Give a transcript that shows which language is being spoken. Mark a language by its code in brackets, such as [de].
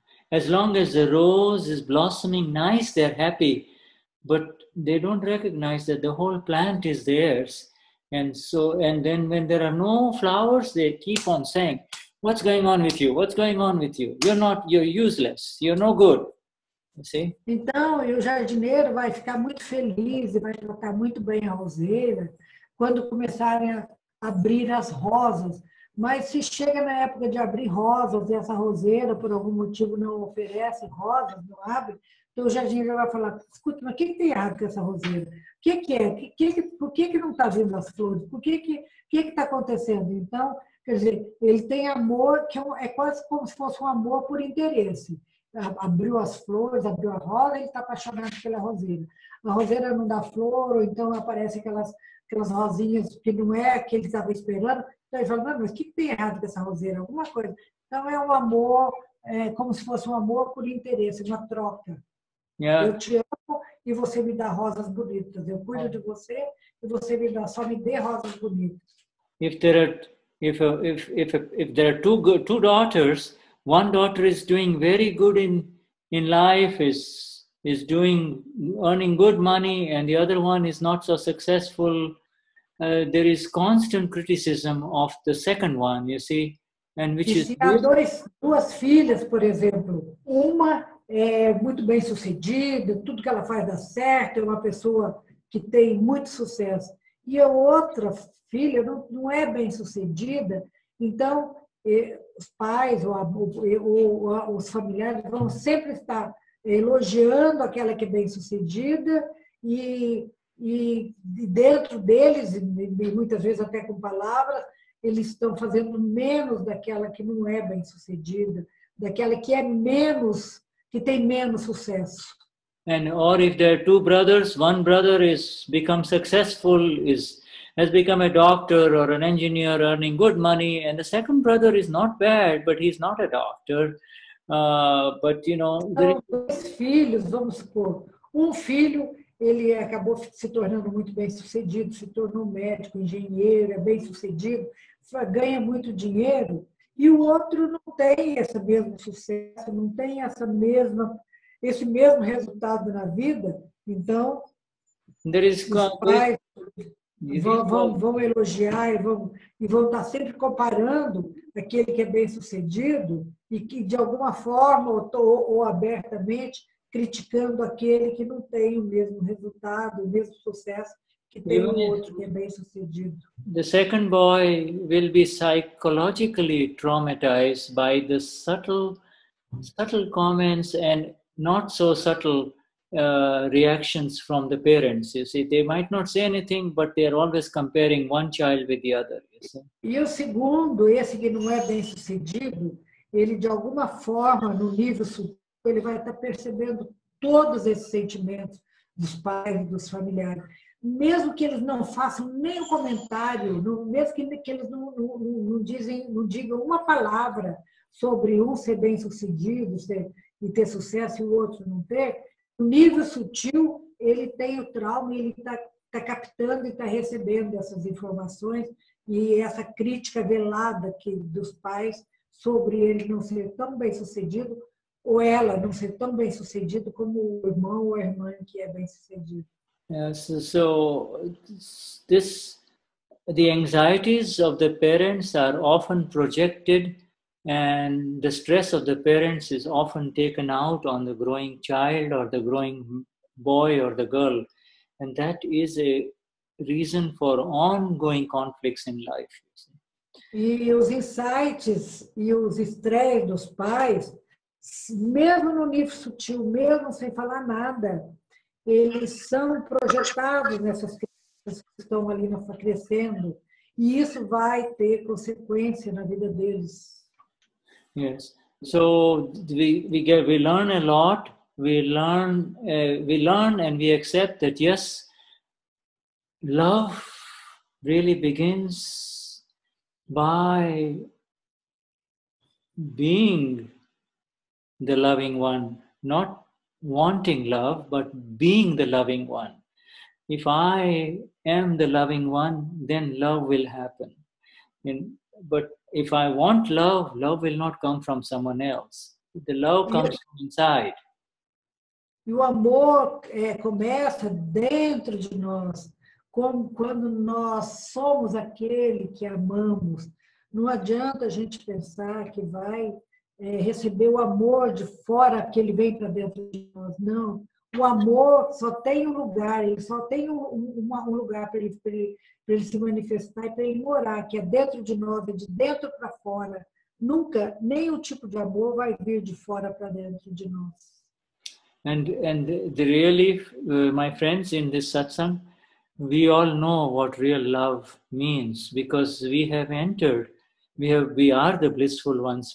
[en] As long as the rose is blossoming nice, they're happy. But they don't recognize that the whole plant is theirs. And so, and then when there are no flowers, they keep on saying, what's going on with you? What's going on with you? You're useless. You're no good. You see? [pt] Então, o jardineiro vai ficar muito feliz e vai tratar muito bem a roseira quando começarem a abrir as rosas. Mas se chega na época de abrir rosas e essa roseira, por algum motivo, não oferece rosas, não abre, então o jardineiro vai falar, escuta, mas o que tem errado com essa roseira? O que é? Por que não está vindo as flores? O que está acontecendo? Então, quer dizer, ele tem amor, que é quase como se fosse um amor por interesse. Abriu as flores, abriu a rosa, ele está apaixonado pela roseira. A roseira não dá flor, ou então aparece aquelas rosinhas que não é a que ele estava esperando. Então ele fala, mas o que tem errado com essa roseira? Alguma coisa. Então é um amor, é como se fosse um amor por interesse, uma troca. [en] Yeah. [pt] Eu te amo e você me dá rosas bonitas. Eu cuido de você e você me dá, só me dê rosas bonitas. [en] If there are two daughters, one daughter is doing very good in life, is doing earning good money, and the other one is not so successful, there is constant criticism of the second one, you see, and which [pt] e [en] is [pt] se há duas filhas, por exemplo, uma é muito bem sucedida, tudo que ela faz dá certo, é uma pessoa que tem muito sucesso, e a outra filha não é bem sucedida, então os pais ou os familiares vão sempre estar elogiando aquela que é bem sucedida e dentro deles, e muitas vezes até com palavras, eles estão fazendo menos daquela que não é bem sucedida, daquela que é menos, que tem menos sucesso. [en] And or if there are two brothers, one brother is become successful, has become a doctor or an engineer earning good money, and the second brother is not bad, but he's not a doctor. But you know, [pt] então, dois filhos, vamos supor, filho ele acabou se tornando muito bem sucedido, se tornou médico, engenheiro, é bem sucedido, ganha muito dinheiro, e o outro não tem esse mesmo sucesso, não tem esse mesmo resultado na vida, então os pais vão elogiar e vão estar sempre comparando aquele que é bem sucedido e que de alguma forma ou abertamente criticando aquele que não tem o mesmo resultado, o mesmo sucesso que tem o outro que é bem sucedido. [en] The second boy will be psychologically traumatized by the subtle comments and not so subtle reactions from the parents. You see, they might not say anything, but they are always comparing one child with the other. You see? [pt] E o segundo, esse que não é bem sucedido, ele de alguma forma, no nível superior, ele vai estar percebendo todos esses sentimentos dos pais e dos familiares. Mesmo que eles não façam nenhum comentário, mesmo que eles não digam uma palavra sobre um ser bem sucedido, e ter sucesso e o outro não ter, no nível sutil, ele tem o trauma e ele tá captando e está recebendo essas informações e essa crítica velada dos pais sobre ele não ser tão bem sucedido ou ela não ser tão bem sucedido como o irmão ou a irmã que é bem sucedido. [en] Yes, so this, the anxieties of the parents are often projected and the stress of the parents is often taken out on the growing child or the growing boy or the girl, and that is a reason for ongoing conflicts in life. [pt] E os insights e os estresses dos pais, mesmo no nível sutil, mesmo sem falar nada, eles são projetados nessas crianças crianças que estão ali crescendo. E isso vai ter consequência na vida deles. [en] Yes. So we learn a lot. We learn and we accept that yes, love really begins by being the loving one, not wanting love, but being the loving one. If I am the loving one, then love will happen. But if I want love, love will not come from someone else. The love comes from inside. [pt] E o amor começa dentro de nós, como quando nós somos aquele que amamos. Não adianta a gente pensar que vai receber o amor de fora, que ele vem para dentro de nós. Não. O amor só tem um lugar, ele só tem um lugar para ele se manifestar e para ele morar, que é dentro de nós, é de dentro para fora. Nunca, nenhum tipo de amor vai vir de fora para dentro de nós. [en] And the really, my friends, in this satsang, we all know what real love means because we have entered, we are the blissful ones.